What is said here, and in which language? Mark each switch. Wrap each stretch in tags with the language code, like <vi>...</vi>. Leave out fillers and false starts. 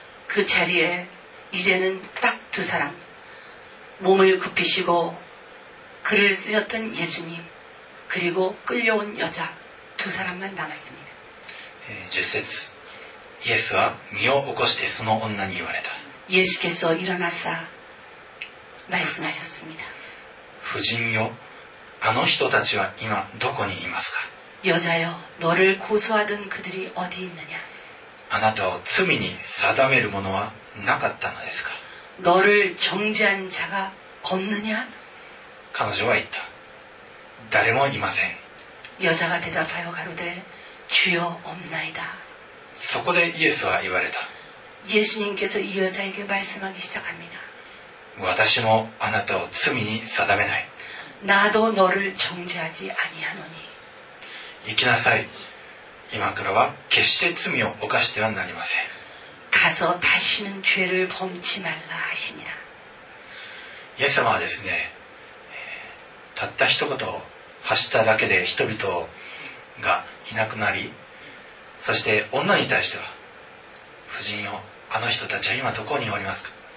<ko>그자리에이제는딱두사람몸을굽히시고글을쓰셨던예수님그리고끌려온여자두사람만남았습니다</ko> <ja>10節イエスは身を起こしてその女に言われた</ja> <ko>예수께서일어나사말씀하셨습니다</ko> <ja>婦人よあの人たちは今どこにいますか</ja> <ko>여자여너를고소하던그들이어디있느냐</ko> <ja>あなたを罪に定める者はなかったのですか</ja> <ko>너를정죄한자가없느냐</ko> <ja>彼女は言った誰もいません</ja> <ko>여자가대답하여가로되주여없나이다</ko> <ja>そこでイエスは言われた</ja> <ko>예수님께서이여자에게말씀하기시작합니다</ko> <ja>私もあなたを罪に定めない</ja> <ko>나도너를정죄하지아니하노니</ko> <ja>行きなさい今からは決して罪を犯してはなりません</ja> <ko>가서다시는죄를범치말라하십니다</ko> <ja>イエス様はですね、たった一言発しただけで人々がいなくなり、そして女に対しては、婦人よ、あの人たちは今どこにおりますか。</ja>